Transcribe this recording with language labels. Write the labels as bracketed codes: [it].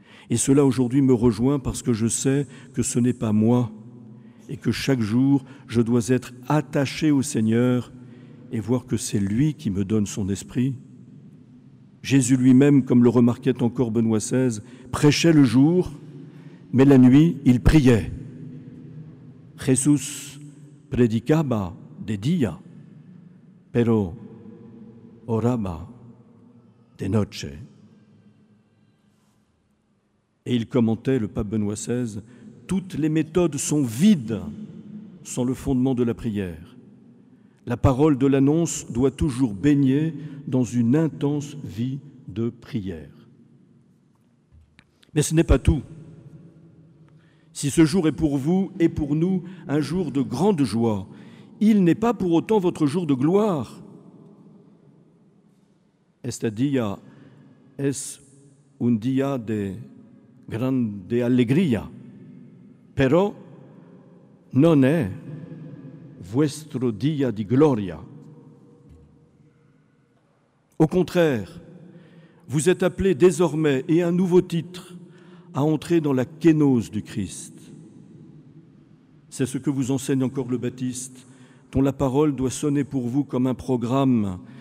[fr] Et cela aujourd'hui me rejoint parce que je sais que ce n'est pas moi et que chaque jour je dois être attaché au Seigneur et voir que c'est lui qui me donne son esprit. Jésus lui-même, comme le remarquait encore Benoît XVI, prêchait le jour, mais la nuit, il priait. [es] Jesús predicaba de día, pero oraba de noche. [fr] Et il commentait, le pape Benoît XVI, toutes les méthodes sont vides sans le fondement de la prière. La parole de l'annonce doit toujours baigner dans une intense vie de prière. Mais ce n'est pas tout. Si ce jour est pour vous et pour nous un jour de grande joie, il n'est pas pour autant votre jour de gloire. [es] Este día es un día de grande alegría, pero non es vuestro día de gloria. [fr] Au contraire, vous êtes appelé désormais et un nouveau titre à entrer dans la kénose du Christ. C'est ce que vous enseigne encore le Baptiste, dont la parole doit sonner pour vous comme un programme.